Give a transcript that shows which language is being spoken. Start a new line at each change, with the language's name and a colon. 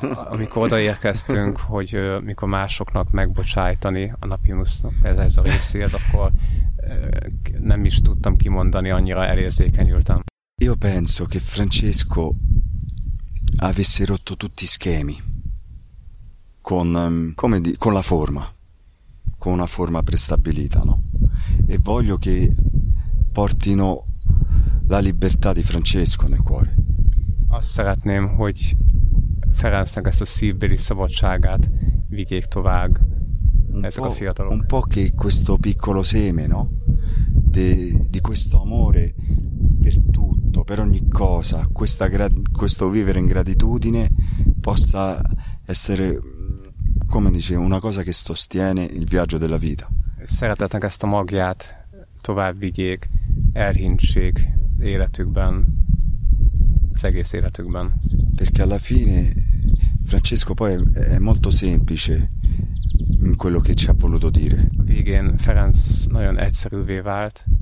Hungarian: amikor odaérkeztünk, hogy mikor másoknak megbocsájtani a napjunknak ez a részéhez, akkor nem is tudtam kimondani, annyira elérzékenyültem.
Italian: Io penso che Francesco avesse rotto tutti i schemi con la forma, con una forma prestabilita, no? E voglio che portino la libertà di Francesco nel cuore.
Hungarian: Azt szeretném, hogy Ferencnek ezt a szívbeli szabadságát vigyék tovább ezek a fiatalok.
Italian: Un po' che questo piccolo seme, no? Di questo amore per tutto, per ogni cosa, questo vivere in gratitudine possa essere, come dice, una cosa che sostiene il viaggio della vita.
Hungarian: Szeretetnek ezt a magját tovább vigyék, elhintség életükben, az egész életükben.
Italian: Perché alla fine Francesco poi è molto semplice in quello che ci ha voluto dire.
Hungarian: Végén Ferenc nagyon egyszerűvé vált.